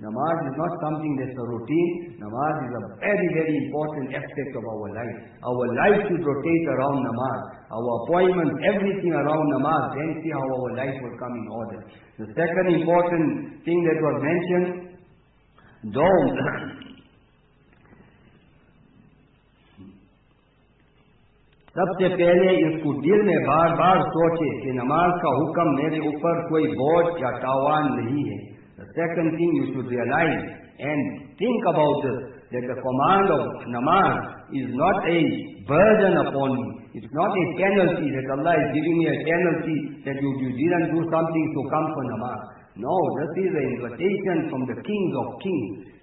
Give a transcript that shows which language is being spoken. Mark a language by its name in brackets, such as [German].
[English] Namaz is not something that's a routine. Namaz is a very, very important aspect of our life. Our life should rotate around namaz. Our appointment, everything around namaz, then see how our life will come in order. The second important thing that was mentioned, don't. [Urdu] سب سے پہلے اس کو دل میں بار بار سوچے کہ نماز کا حکم میرے اوپر کوئی بوجھ یا تاوان نہیں ہے. [English] The second thing you should realize and think about this, that the command of namaz is not a burden upon me. It's not a penalty that Allah is giving me a penalty that you didn't do something to come for namaz. No, this is an invitation from the kings of kings.